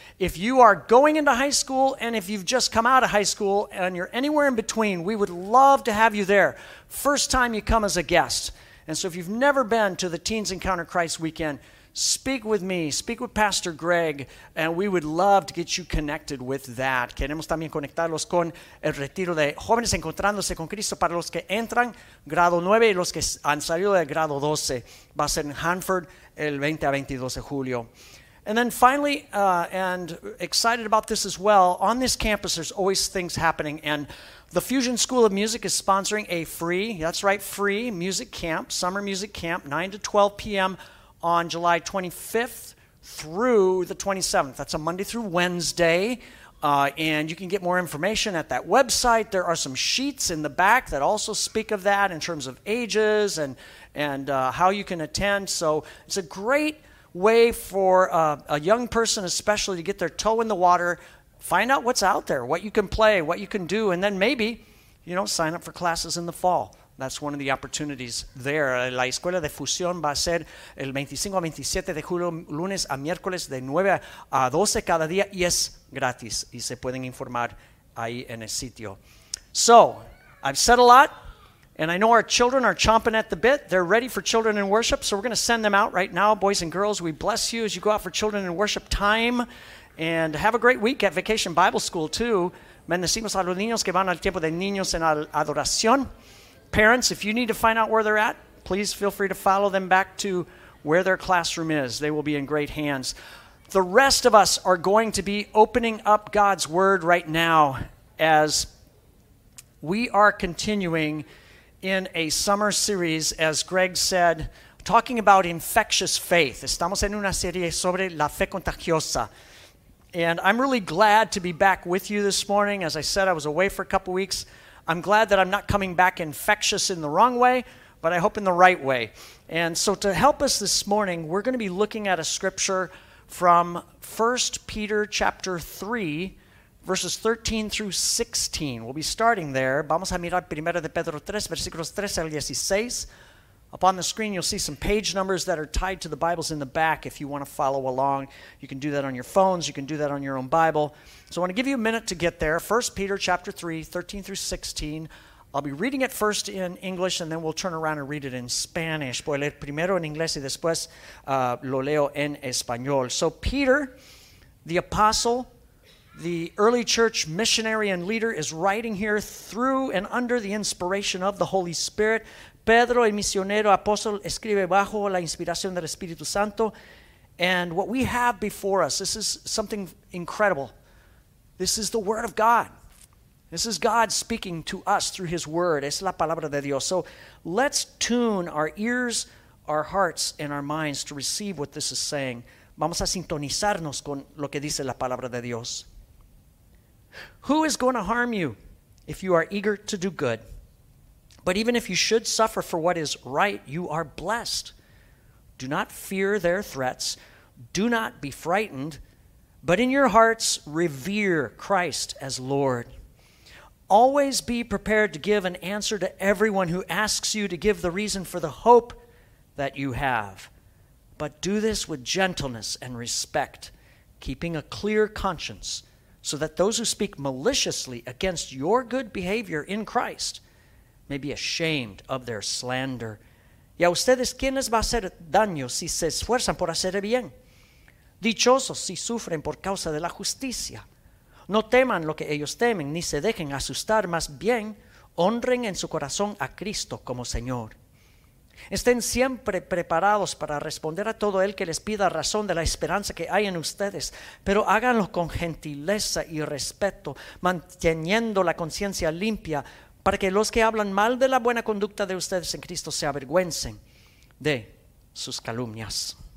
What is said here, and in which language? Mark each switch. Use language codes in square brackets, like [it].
[en] If you are going into high school and if you've just come out of high school and you're anywhere in between, we would love to have you there. First time you come as a guest. And so if you've never been to the Teens Encounter Christ Weekend, speak with me, speak with Pastor Greg, and we would love to get you connected with that. [es] Queremos también conectarlos con el retiro de jóvenes encontrándose con Cristo para los que entran grado 9 y los que han salido de grado 12. Va a ser en Hanford el 20 a 22 de julio. [en] And then finally, and excited about this as well, on this campus there's always things happening, and the Fusion School of Music is sponsoring a free, that's right, free music camp, summer music camp, 9 to 12 p.m., on July 25th through the 27th. That's a Monday through Wednesday. And you can get more information at that website. There are some sheets in the back that also speak of that in terms of ages and how you can attend. So it's a great way for a young person especially to get their toe in the water, find out what's out there, what you can play, what you can do, and then maybe, you know, sign up for classes in the fall. That's one of the opportunities there. [es] La Escuela de Fusión va a ser el 25 a 27 de julio, lunes a miércoles, de 9 a 12 cada día, y es gratis. Y se pueden informar ahí en el sitio. [en] So, I've said a lot, and I know our children are chomping at the bit. They're ready for children in worship, so we're going to send them out right now. Boys and girls, we bless you as you go out for children in worship time. And have a great week at Vacation Bible School, too. [es] Bendecimos a los niños que van al tiempo de niños en adoración. [en] Parents, if you need to find out where they're at, please feel free to follow them back to where their classroom is. They will be in great hands. The rest of us are going to be opening up God's Word right now as we are continuing in a summer series, as Greg said, talking about infectious faith. [es] Estamos en una serie sobre la fe contagiosa. [en] And I'm really glad to be back with you this morning. As I said, I was away for a couple weeks. I'm glad that I'm not coming back infectious in the wrong way, but I hope in the right way. And so to help us this morning, we're going to be looking at a scripture from 1 Peter chapter 3, verses 13 through 16. We'll be starting there. [es] Vamos a mirar primero de Pedro 3, versículos 13 al 16. [en] Upon the screen, you'll see some page numbers that are tied to the Bibles in the back if you want to follow along. You can do that on your phones. You can do that on your own Bible. So I want to give you a minute to get there. 1 Peter chapter 3, 13 through 16. I'll be reading it first in English, and then we'll turn around and read it in Spanish. [es] Voy a leer primero en inglés y después lo leo en español. [en] So Peter, the apostle, the early church missionary and leader, is writing here through and under the inspiration of the Holy Spirit. [es] Pedro, el misionero apóstol, escribe bajo la inspiración del Espíritu Santo. [en] And what we have before us, this is something incredible. This is the Word of God. This is God speaking to us through His Word. [es] Es la palabra de Dios. [en] So let's tune our ears, our hearts, and our minds to receive what this is saying. [es] Vamos a sintonizarnos con lo que dice la palabra de Dios. [en] Who is going to harm you if you are eager to do good. But even if you should suffer for what is right, you are blessed. Do not fear their threats. Do not be frightened. But in your hearts, revere Christ as Lord. Always be prepared to give an answer to everyone who asks you to give the reason for the hope that you have. But do this with gentleness and respect, keeping a clear conscience, so that those who speak maliciously against your good behavior in Christ may be ashamed of their slander. [es] ¿Y a ustedes quién les va a hacer daño si se esfuerzan por hacer el bien? Dichosos si sufren por causa de la justicia. No teman lo que ellos temen, ni se dejen asustar, más bien honren en su corazón a Cristo como Señor. Estén siempre preparados para responder a todo el que les pida razón de la esperanza que hay en ustedes, pero háganlo con gentileza y respeto, manteniendo la conciencia limpia, para que los que hablan mal de la buena conducta de ustedes en Cristo se avergüencen de sus calumnias.